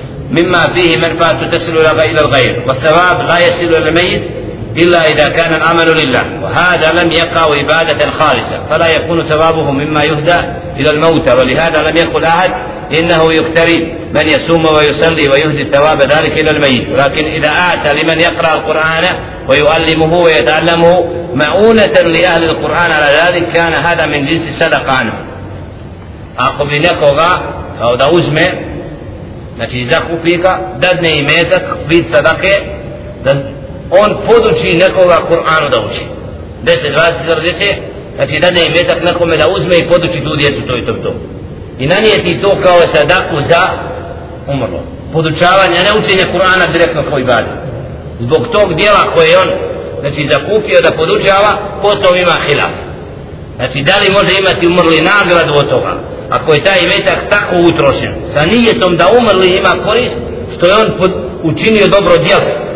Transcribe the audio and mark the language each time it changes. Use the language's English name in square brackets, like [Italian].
[Arabic] مما فيه منفعة تصل إلى الغير، والثواب لا يصل إلى الميت إلا إذا كان العمل لله، وهذا لم يقع عبادة خالصة، فلا يكون ثوابه مما يهدى إلى الموتى، ولهذا لم يقل أحد إنه يقترن من يصوم ويصلي ويهدي ثواب ذلك إلى الميت، ولكن إذا أتى لمن يقرأ القرآن ويؤلمه ويتعلمه معونة لأهل القرآن على ذلك كان هذا من جنس الصدقة عنه. أخذ نقضة أو دوزمة. [Bosnian] Znači zakupi ga, dadne imetak, vid sadake, da on poduči nekoga Kur'anu da uči 10, 20, 40, znači da ne je metak nekome da uzme i poduči tu djecu to i to i to i nanijeti to kao sadaku za umrlo podučavanje, a ne učenje Kur'ana direktno kao ibadet zbog tog dijela koje on znači zakupio da podučava potom ima hilaf znači da li može imati umrli nagradu od toga ako je taj metak tako utrošen sa nijetom da umrli ima korist što je on učinio dobro djelo